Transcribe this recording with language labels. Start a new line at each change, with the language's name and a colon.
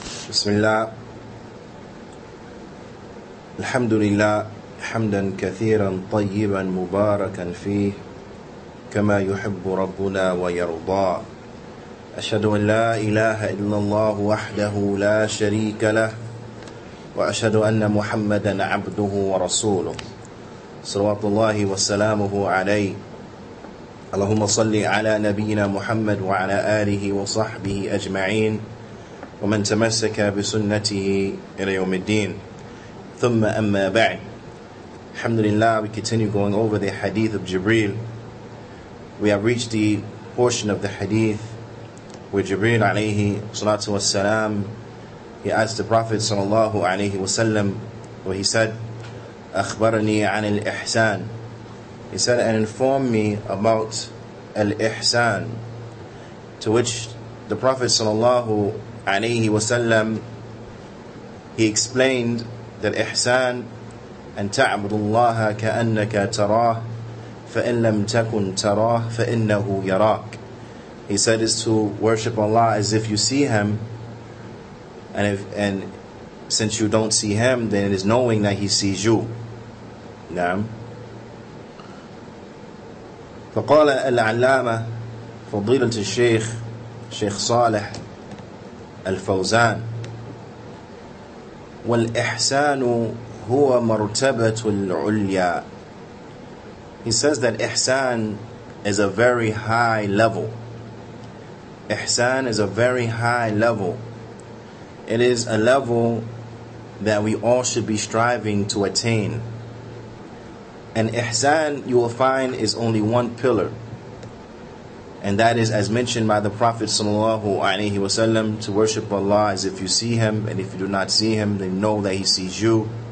Arabic: بسم الله الحمد لله حمدا كثيرا طيبا مباركا فيه كما يحب ربنا ويرضى أشهد أن لا إله إلا الله وحده لا شريك له وأشهد أن محمدا عبده ورسوله صلوات الله وسلامه عليه اللهم صل على نبينا محمد وعلى آله وصحبه أجمعين ومن تمسك بسنته إلى يوم الدين ثم أما بعد الحمد لله.
English: We continue going over the hadith of Jibreel. We have reached the portion of the hadith where Jibreel alayhi salatu wasalam, he asked the Prophet sallallahu alayhi wasallam, where he said,
Arabic: أخبرني عن الإحسان.
English: He said, and inform me about al-ihsan. To which the Prophet sallallahu alayhi wasallam, he explained that ihsan,
Arabic: أن تعبد الله كأنك تراه فإن لم تكن تراه فإنه يراك.
English: He said is to worship Allah as if you see Him, and since you don't see Him, then it is knowing that He sees you.
Arabic: نعم. فقال العلامة فضيلة الشيخ شيخ صالح الفوزان والإحسان هو مرتبة العليا.
English: He says that ihsan is a very high level. Ihsan is a very high level. It is a level that we all should be striving to attain. And ihsan, you will find, is only one pillar. And that is, as mentioned by the Prophet sallallahu alayhi wasallam, to worship Allah as if you see Him, and if you do not see Him, then know that He sees you.